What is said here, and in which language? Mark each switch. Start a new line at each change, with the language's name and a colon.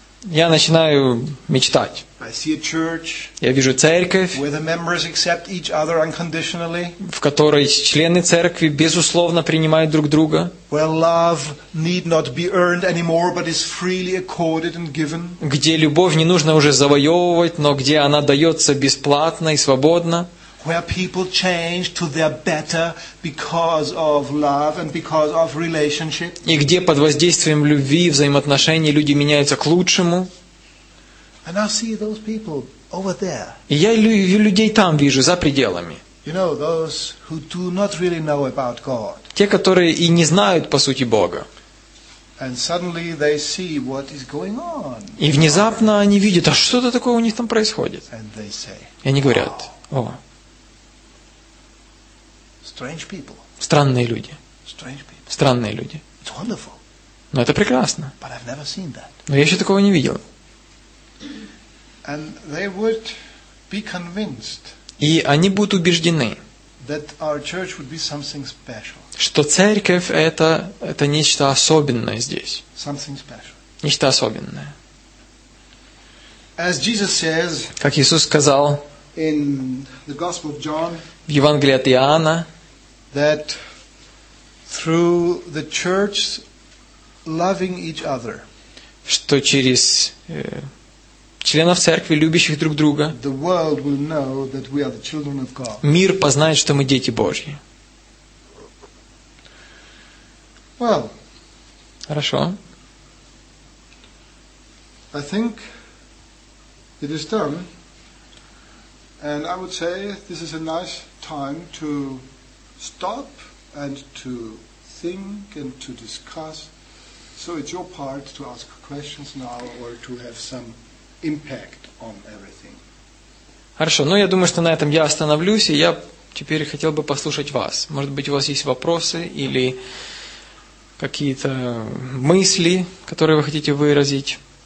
Russian: Я начинаю мечтать.
English: I see a church.
Russian: Я вижу церковь,
English: where the members accept each other unconditionally.
Russian: В которой члены церкви безусловно принимают друг друга.
English: Where love need not be earned anymore, but is freely accorded and given.
Russian: Где любовь не нужно уже завоевывать, но где она дается бесплатно и свободно.
English: Where people change to their better because of love and because of relationship.
Russian: И где под воздействием любви и взаимоотношений люди меняются к лучшему.
English: And I see those people over there.
Russian: И я людей там вижу, за пределами.
English: You know, those who do not really know about God.
Russian: Те, которые и не знают по сути Бога.
English: And suddenly they see what is going on.
Russian: И внезапно они видят, а что-то такое у них там происходит.
English: And they say,
Russian: и они говорят, о,
English: strange people.
Russian: Странные люди.
English: Strange people.
Russian: Странные люди.
English: It's wonderful.
Russian: Но это прекрасно.
English: But I've never seen that.
Russian: Но я еще такого не видел.
English: And they would be convinced,
Russian: и они будут убеждены,
English: that our church would be something special.
Russian: Что церковь это нечто особенное здесь.
English: Something special.
Russian: Нечто особенное.
English: As Jesus says,
Russian: как Иисус сказал
English: in the Gospel of John,
Russian: в Евангелии от Иоанна,
English: that through the church loving each other,
Russian: что через членов церкви, любящих друг друга,
English: the world will know that we are the children of God.
Russian: Мир познает, что мы дети Божьи.
English: Well,
Russian: хорошо.
English: I think it is done, and I would say this is a nice time to stop and to think and to discuss. So it's your part to ask questions now or to have some impact on everything.
Russian: Хорошо. Ну, я думаю, что на этом я остановлюсь, и я теперь хотел бы послушать вас. Может быть, у вас есть вопросы или какие-то мысли, которые вы хотите выразить?